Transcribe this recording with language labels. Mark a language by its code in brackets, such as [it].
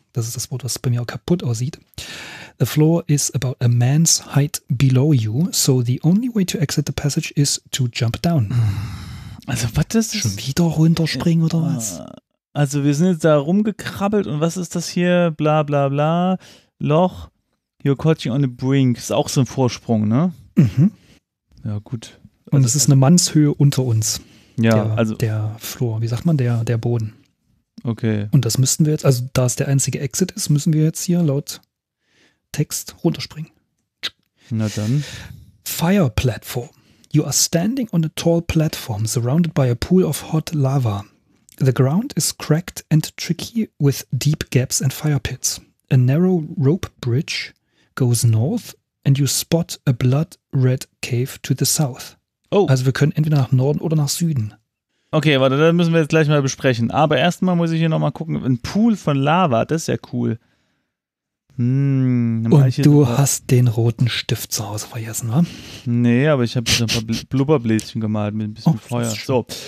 [de] Das ist das Wort, was bei mir auch kaputt aussieht. [en] The floor is about a man's height below you, so the only way to exit the passage is to jump down. [de] Also was ist das? Schon wieder runterspringen oder was? Also wir sind jetzt da rumgekrabbelt und was ist das hier? [en] Bla bla bla. Loch. You're crouching on the brink. [de] Ist auch so ein Vorsprung, ne? Mhm. Ja, gut. Und es ist eine Mannshöhe unter uns. Ja, der, also. Der Floor, wie sagt man, der Boden. Okay. Und das müssten wir jetzt, also da es der einzige Exit ist, müssen wir jetzt hier laut Text runterspringen. Na dann. [en] Fire platform. You are standing on a tall platform surrounded by a pool of hot lava. The ground is cracked and tricky with deep gaps and fire pits. A narrow rope bridge goes north and you spot a blood red cave to the south. [de] Oh. Also wir können entweder nach Norden oder nach Süden. Okay, warte, das müssen wir jetzt gleich mal besprechen. Aber erstmal muss ich hier nochmal gucken. Ein Pool von Lava, das ist ja cool. Und du hast den roten Stift zu Hause vergessen, wa? Nee, aber ich habe ein paar Blubberbläschen gemalt mit ein bisschen Feuer. So.